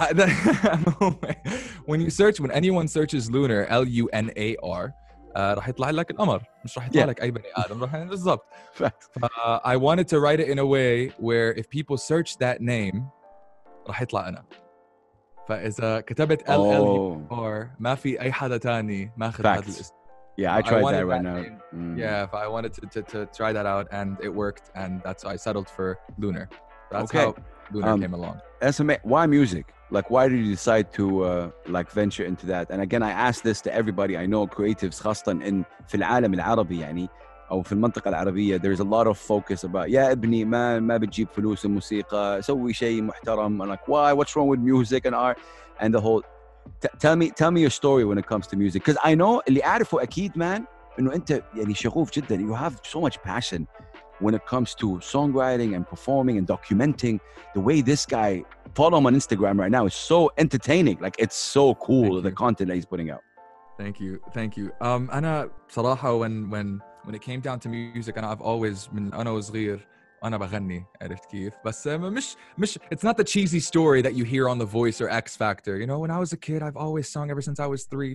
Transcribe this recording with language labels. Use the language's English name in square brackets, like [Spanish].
[English] Exactly. When you search, when anyone searches Lunar, L-U-N-A-R, [Arabic] راح يطلع لك القمر. مش راح يطلع لك أي بني آدم. راح يطلع بالضبط. [English] I wanted to write it in a way where if people search that name, [Arabic] راح يطلع أنا. فإذا كتبت L-L-U-R, ما في أي حدا تاني ماخذ هذا الاسم. [English] Yeah, I tried that right now. Yeah, if I wanted to try that out and it worked, and that's why I settled for Lunar. That's how Lunar came along. Why music? Like, why did you decide to like venture into that? And again, I ask this to everybody. I know creatives, [Arabic] خاصة in في العالم العربي يعني أو في المنطقة العربية, [English] there's a lot of focus about, [Arabic] يا ابني ما بتجيب فلوس الموسيقى, سوي شيء محترم. [English] I'm like, why? What's wrong with music and art? And the whole, tell me your story when it comes to music. Because I know, [Arabic] اللي أعرفه أكيد, man, إنه أنت يعني شغوف جدا. [English] You have so much passion when it comes to songwriting and performing and documenting. The way this guy, follow him on Instagram right now, is so entertaining. Like, it's so cool, the content that he's putting out. Thank you. [Arabic] أنا صراحة [English] when it came down to music, and I've always been, [Arabic] أنا وصغير أنا بغني, عرفت كيف, بس مش [English] it's not the cheesy story that you hear on The Voice or X Factor, you know, when I was a kid I've always sung ever since I was 3.